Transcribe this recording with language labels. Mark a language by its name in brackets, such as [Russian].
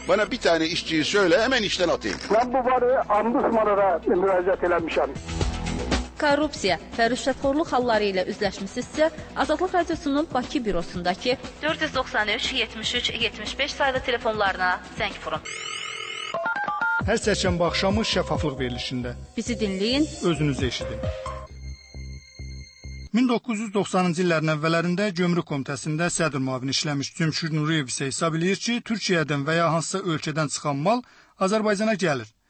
[Turkish] Bana bir tane işçiyi söyle, hemen işten atayım. [Azerbaijani] Ben bu varı ombudsmanlara müraciət eləmişəm. Korrupsiya və rüşvətxorluq halları ilə üzləşmisinizsə, Azadlıq Radiosunun Bakı bürosundakı 493-73-75 sayda telefonlarına zəng vurun. Hər çərşənbə axşamı şəffaflıq verilişində. Bizi dinleyin, özünüzü eşidin. 1990-cı illərin əvvəllərində Gömrük Komitəsində sədr müavini işləmiş Cümşür Nuriyev isə hesab edir ki, Türkiyədən və ya hansısa ölkədən çıxan mal Azərbaycana gəlir.